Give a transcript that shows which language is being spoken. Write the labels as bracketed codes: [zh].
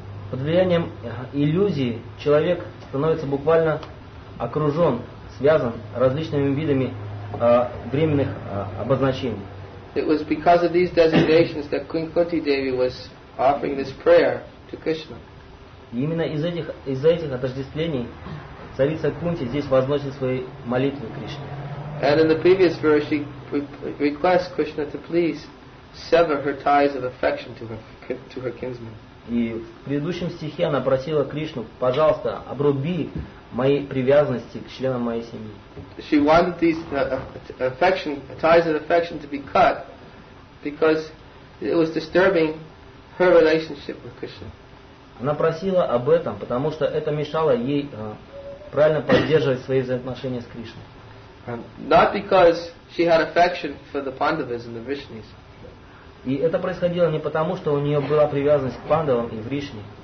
[ru] Под влиянием иллюзии человек становится буквально окружен, связан различными видами временных обозначений. [en] It was because of these designations that Queen Kunti Devi was offering this prayer to Krishna. [ru] Именно из-за этих отождествлений царица Кунти здесь возносит свои молитвы Кришне. [en] And in the previous verse she requests Krishna to please sever her ties of affection to her kinsmen. [ru] И в предыдущем стихе она просила Кришну: пожалуйста, обруби мои привязанности к членам моей семьи. [en] She wanted these ties of affection to be cut because it was disturbing her relationship with Krishna. [ru] Она просила об этом, потому что это мешало ей правильно поддерживать свои взаимоотношения с Кришной. [en] Not because she had affection for the Pandavas and the Vrishnis. [ru] И это происходило не потому, что у нее была привязанность к Пандавам и Вришне.